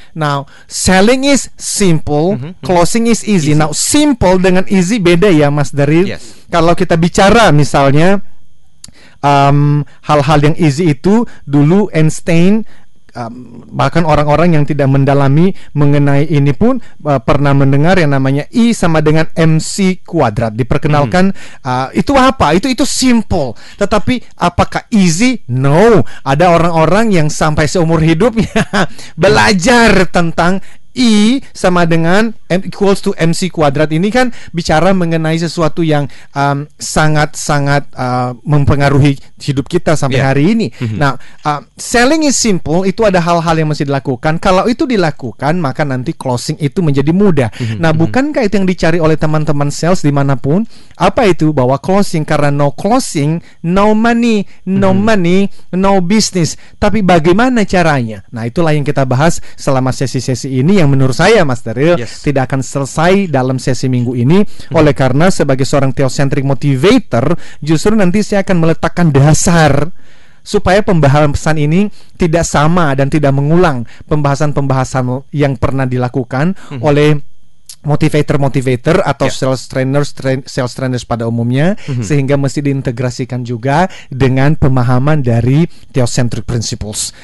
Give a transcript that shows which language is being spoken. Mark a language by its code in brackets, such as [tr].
[en] Now, selling is simple, closing is easy. [id] Now, simple dengan easy beda ya, Mas Daril. Kalau kita bicara misalnya hal-hal yang easy itu, dulu Einstein bahkan orang-orang yang tidak mendalami mengenai ini pun pernah mendengar yang namanya I sama dengan MC kuadrat. Diperkenalkan itu apa? Itu simple. Tetapi apakah easy? No. Ada orang-orang yang sampai seumur hidupnya belajar tentang I sama dengan M equals to MC kuadrat. Ini kan bicara mengenai sesuatu yang sangat-sangat mempengaruhi hidup kita sampai hari ini. Nah, [en] selling is simple. [id] Itu ada hal-hal yang mesti dilakukan. Kalau itu dilakukan, maka nanti closing itu menjadi mudah. Nah, bukankah itu yang dicari oleh teman-teman sales dimanapun? Apa itu? [en] Bahwa closing, karena no closing, no money. No money, no business. [id] Tapi bagaimana caranya? Nah, itulah yang kita bahas selama sesi-sesi ini, yang menurut saya, Mas Daryl, tidak akan selesai dalam sesi minggu ini. Oleh karena sebagai seorang theocentric motivator, justru nanti saya akan meletakkan dasar supaya pembahasan ini tidak sama dan tidak mengulang pembahasan-pembahasan yang pernah dilakukan oleh motivator-motivator atau sales trainers, sales trainers pada umumnya, sehingga mesti diintegrasikan juga dengan pemahaman dari theocentric principles.